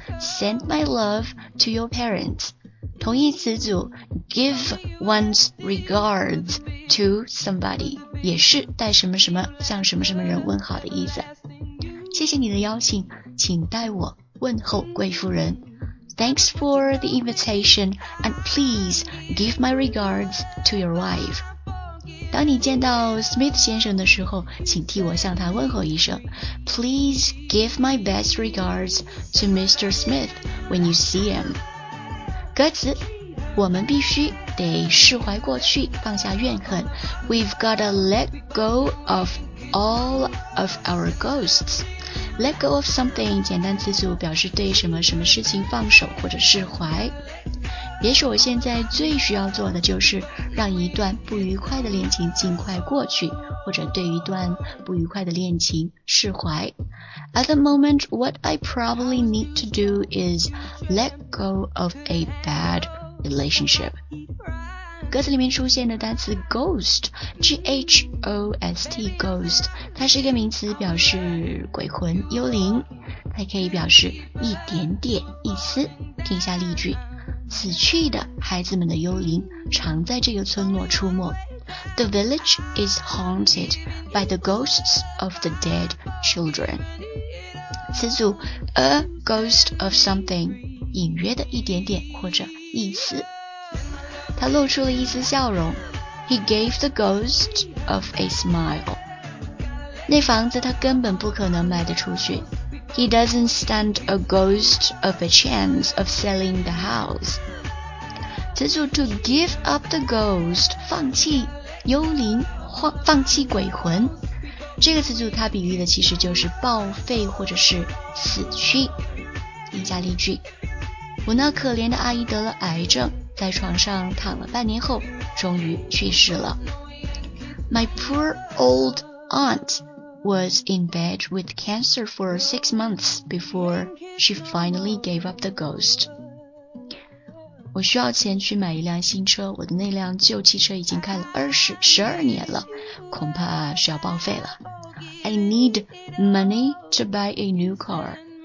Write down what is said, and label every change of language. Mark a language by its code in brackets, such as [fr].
[en] Send my love to your parents， [zh] 同义词组 [en] Give one's regards to somebody， [zh] 也是带什么什么向什么什么人问好的意思。谢谢你的邀请，请代我问候贵夫人。 [en] Thanks for the invitation, and please give my regards to your wife. [zh] 当你见到 Smith 先生的时候，请替我向他问候一声。 [en] Please give my best regards to Mr. Smith when you see him. [zh] 歌词，我们必须得释怀过去，放下怨恨。 [en] We've gotta let go of all of our ghosts. Let go of something [zh] 简单词组表示对什么什么事情放手或者释怀。也许我现在最需要做的就是让一段不愉快的恋情尽快过去，或者对一段不愉快的恋情释怀。 [en] At the moment, what I probably need to do is let go of a bad relationship. [zh] 歌词里面出现的单词 ghost, G-H-O-S-T, ghost, 它是一个名词，表示鬼魂、幽灵，它可以表示一点点、一丝。听一下例句，死去的孩子们的幽灵常在这个村落出没。 [en] The village is haunted by the ghosts of the dead children. [zh] 词组 [en] a ghost of something, [zh] 隐约的一点点或者一丝。他露出了一丝笑容。 [en] He gave the ghost of a smile. [zh] 那房子他根本不可能卖得出去。 [en] He doesn't stand a ghost of a chance of selling the house. [zh] 此处 [en] to give up the ghost, [zh] 放弃幽灵，放弃鬼魂。这个词组它比喻的其实就是报废或者是死去。以下例句。我那可怜的阿姨得了癌症，在床上躺了半年后终于去世了。 [en] My poor old aunt was in bed with cancer for 6 months before she finally gave up the ghost. [zh] 我需要钱去买一辆新车，我的那辆旧汽车已经开了12年了，恐怕是要报废了。 [en] I need money to buy a new car.